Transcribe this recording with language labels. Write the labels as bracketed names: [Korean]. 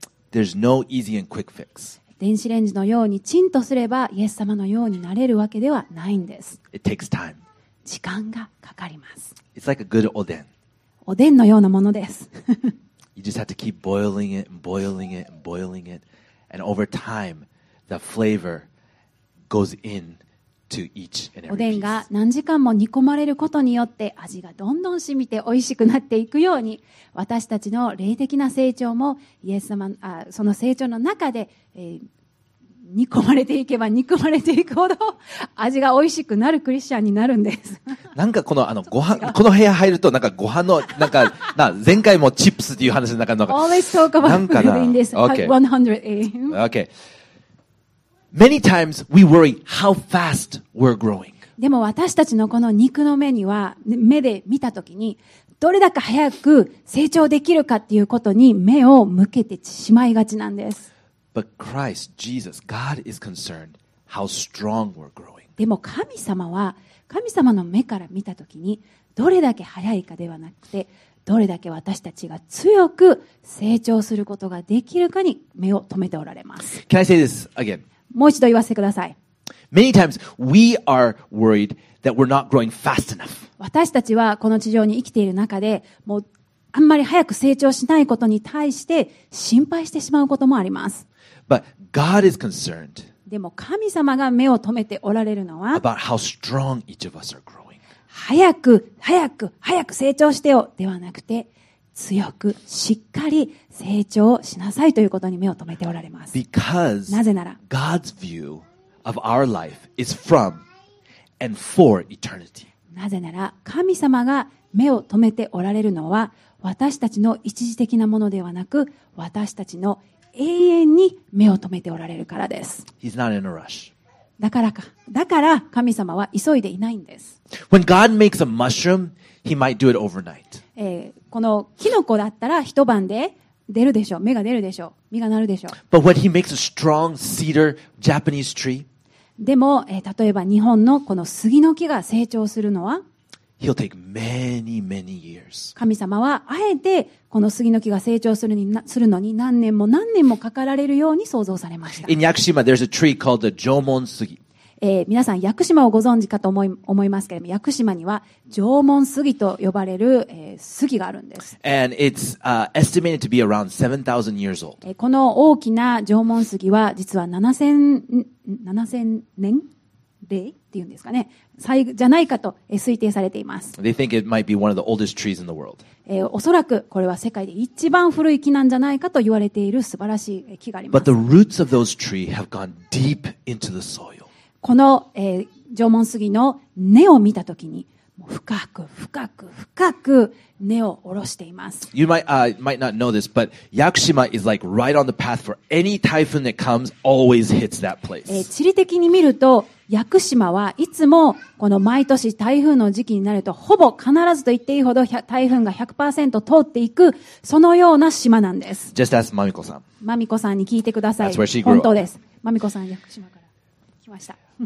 [English] There's no easy and quick fix. [Japanese] 電子レンジのようにチンとすればイエス様のようになれるわけではないんです。 [English] It takes time. [Japanese] 時間がかかります。 [English] It's like a good oden. [Japanese] おでんのようなものです。 [English] You just have to keep boiling it and boiling it and boiling it. And over time, the flavor goes in to each and every piece. [Japanese] おでんが何時間も煮込まれることによって味がどんどん染みて美味しくなっていくように私たちの霊的な成長もイエス様、その成長の中で煮込まれていけば煮込まれていくほど味が美味しくなるクリスチャンになるんです。なんかこのご飯この部屋入るとなんかご飯のなんか な前回もチップスっていう話の中のなんか [English] Always talk about food in this 100A. Okay. Many times we worry how fast we're growing. [Japanese] でも私たちのこの肉の目には目で見たときにどれだけ早く成長できるかっていうことに目を向けてしまいがちなんです。 [English] But Christ, Jesus, God is concerned how strong we're growing. [Japanese] でも神様は神様の目から見たときにどれだけ早いかではなくてどれだけ私たちが強く成長することができるかに目を留めておられます。 [English] Can I say this again? [Japanese] もう一度言わせてください。 [English] Many times we are worried that we're not growing fast enough. [Japanese] 私たちはこの地上に生きている中でもうあんまり早く成長しないことに対して心配してしまうこともあります。 [English] But God is concerned. [Japanese] でも神様が目を留めておられるのは [English] About how strong each of us are growing. [Japanese] 早く成長してよではなくて強くしっかり成長しなさいということに目を留めておられます。 [English] Because [Japanese] なぜなら [English] God's view of our life is from and for eternity. [Japanese] なぜなら神様が目を留めておられるのは私たちの一時的なものではなく私たちの永遠に目を留めておられるからです。 [English] He's not in a rush. [Japanese] だから神様は急いでいないんです。 [English] When God makes a mushroom, he might do it overnight. [Japanese] このキノコだったら一晩で出るでしょう、芽が出るでしょう、実がなるでしょう。 [English] But when he makes a strong cedar Japanese tree, [Japanese] でも、例えば日本のこの杉の木が成長するのは、 [English] he'll take many many years. [Japanese] 神様はあえてこの杉の木が成長するにするのに何年も何年もかかられるように想像されました。 [English] In Yakushima, there's a tree called the Jomon Sugi. [Japanese] 皆さん屋久島をご存知かと思いますけれども屋久島には縄文杉と呼ばれる、杉があるんです [English] And it's, estimated to be around 7,000 years old. [Japanese] この大きな縄文杉は実は7000年霊っていうんですかね、じゃないかと推定されています。 [English] They think it might be one of the oldest trees in the world. [Japanese] おそらくこれは世界で一番古い木なんじゃないかと言われている素晴らしい木があります。 [English] But the roots of those trees have gone deep into the soil. [Japanese] この、縄文杉の根を見たときに、深く深く深く根を下ろしています。 [English] You might, might not know this, but Yakushima is like right on the path for any typhoon that comes, always hits that place. [Japanese] 地理的に見ると、屋久島はいつもこの毎年台風の時期になるとほぼ必ずと言っていいほど台風が 100% 通っていくそのような島なんです。 [English] Just ask マミコさん。 [Japanese] マミコさんに聞いてください。 [English] That's where she grew up. [Japanese] 本当です。マミコさん屋久島から来ました。